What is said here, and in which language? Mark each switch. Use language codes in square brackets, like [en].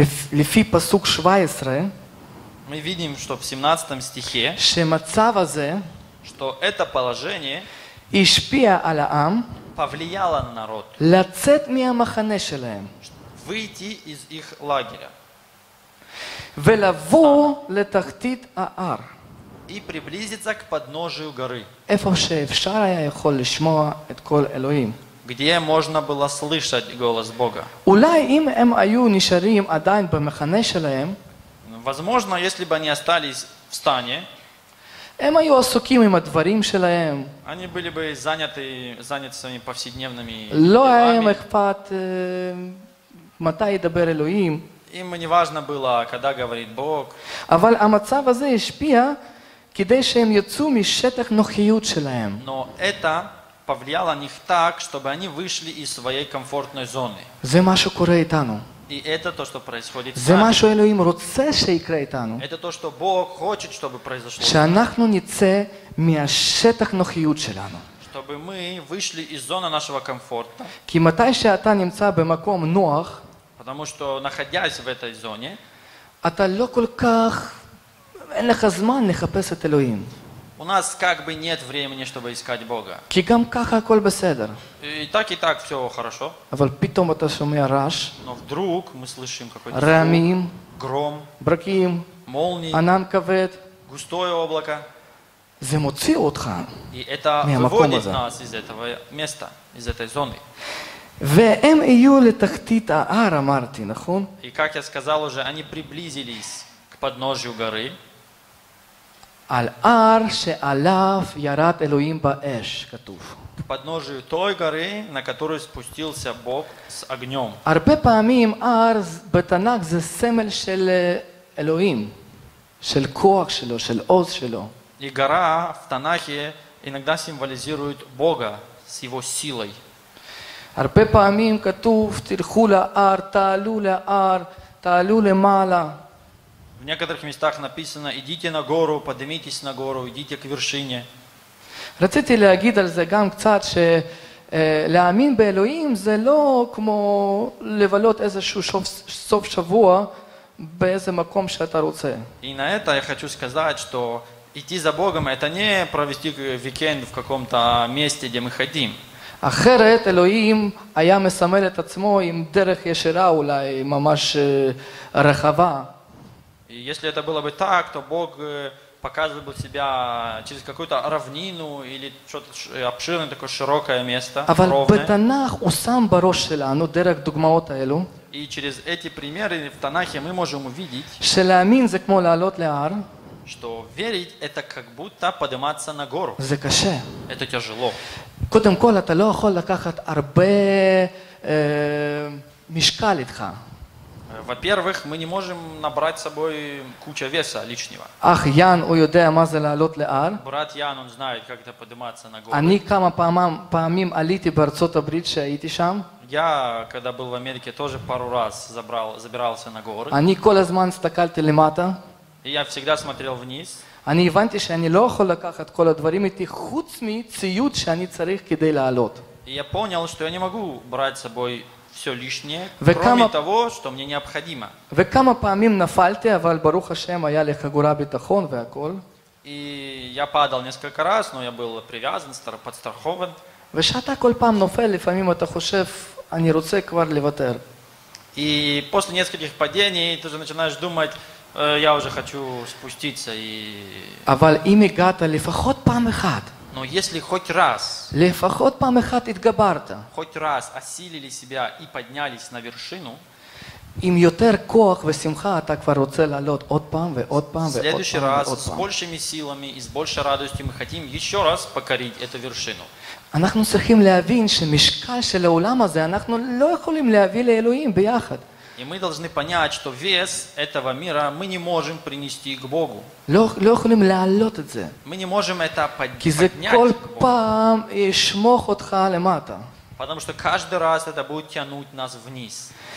[ru] Мы видим, что в 17 стихе, что это положение [he] השפיעה על העם, [ru] повлияла на народ, [he] לצאת מהמחנה שלהם, [ru] выйти из их лагеря, [he] ולבוא לתחתית ההר, [ru] и приблизиться к подножию горы, [he] איפה שאפשר היה יכול לשמוע את קול אלוהים, [ru] где можно было слышать голос Бога. [he] אולי אם הם היו נשארים עדיין במחנה שלהם, [ru] возможно, если бы они остались в стане, [he] הם היו עסוקים עם הדברים שלהם. אני [ru] были бы заняты своими повседневными делами. [he] לא [ru] им [he] אכפת מתי ידבר אלוהים. [ru] Им не важно было, когда говорит Бог. [he] אבל המצב הזה השפיע כדי שהם יצאו משטח נוחיות שלהם. [ru] Но это повлияло на них так, чтобы они вышли из своей комфортной зоны. [he] זה מה שקורה איתנו. [ru] И это то, что происходит с нами. Что [he] Элохим רוצה שיקרה איתנו. [ru] Это то, что Бог хочет, чтобы произошло. [he] שאנחנו נצא מהשטח נוחיות שלנו. [ru] Чтобы мы вышли из зоны нашего комфорта. [he] כי מתי שאתה נמצא במקום נוח, [ru] потому что находясь в этой зоне, [he] אתה לא כל כך, אין לך זמן לחפש את אלוהים. [ru] У нас как бы нет времени, чтобы искать Бога. [he] כי גם ככה הכל בסדר. [ru] И так все хорошо. [he] אבל פתאום אתה שומע רעש. [ru] Но вдруг мы слышим какой-то [he] рамим, [ru] гром, [he] браким, [ru] молнии, [he] ענן כבד, [ru] густое облако. [he] זה מוציא אותך. [ru] И это выводит нас из этого места, из этой зоны. [he] והם יהיו לתחתית ההר, אמרתי, נכון? [ru] И как я сказал уже, они приблизились к подножию горы. [he] על הר שעליו ירד אלוהים באש, כתוב. [ru] К подножию той горы, на которую спустился Бог с огнем. [he] הרבה פעמים הר בתנ"ך זה סמל של אלוהים, של כוח שלו, של עוז שלו. [ru] И гора в Танахе иногда символизирует Бога с его силой. [he] הרבה פעמים כתוב, תלכו להר, תעלו להר, תעלו למעלה. [ru] В некоторых местах написано: идите на гору, поднимитесь на гору, идите к вершине. Хотите ли говорить [he] על זה גם קצת ש להאמין באלוהים זה לא כמו לבלות איזשהו סוף שבוע באיזה מקום שאתה רוצה. [ru] И на это я хочу сказать, что идти за Богом это не провести викенд в каком-то месте, где мы хотим. [he] אחרת אלוהים היה מסמל את עצמו עם דרך ישירה אולי ממש רחבה. [ru] И если это было бы так, то Бог показывал бы себя через какую-то равнину или что-то обширное, такое широкое место, ровное. И через эти примеры в Танахе мы можем увидеть, что верить – это как будто подниматься на гору. Это тяжело. [he] קודם כל, אתה לא יכול לקחת הרבה משקל איתך. [ru] Во-первых, мы не можем набрать с собой кучу веса лишнего. [he] Ах, Ян, הוא יודע מה זה לעלות לאר. [ru] Брат Ян, он знает, как это подниматься на гору. [he] אני כמה פעמים עליתי בארצות הברית שהייתי שם. [ru] Я, когда был в Америке, тоже пару раз забирался на горы. [he] אני כל הזמן הסתכלתי למטה. [ru] Я всегда смотрел вниз. [he] אני הבנתי שאני לא יכול לקחת כל הדברים איתי חוץ מציוד שאני צריך כדי לעלות. [ru] Я понял, что я не могу брать с собой все лишнее, кроме того, что мне необходимо. [he] וכמה פעמים נפלתי, אבל ברוך השם היה לי חגורה ביטחון והכל. [ru] И я падал несколько раз, но я был привязан, подстрахован. [he] ושאתה כל פעם נופל, לפעמים אתה חושב, אני רוצה כבר לוותר. [ru] И после нескольких падений ты же начинаешь думать, я уже хочу спуститься и... [he] אבל אם הגעת לפחות פעם אחת, [ru] но если хоть раз, [he] לפחות פעם אחת התגברת, [ru] хоть раз осилили себя и поднялись на вершину, [he] עם יותר כוח ושמחה אתה כבר רוצה לעלות עוד פעם ועוד פעם ועוד פעם. [ru] Следующий раз, с большими силами и с большей радостью мы хотим еще раз покорить эту вершину. [he] אנחנו צריכים להבין שמשקל של העולם הזה אנחנו לא יכולים להביא לאלוהים ביחד. [ru] И мы должны понять, что вес этого мира мы не можем принести к Богу. Мы не можем это поднять к Богу. Потому что каждый раз это будет тянуть нас вниз.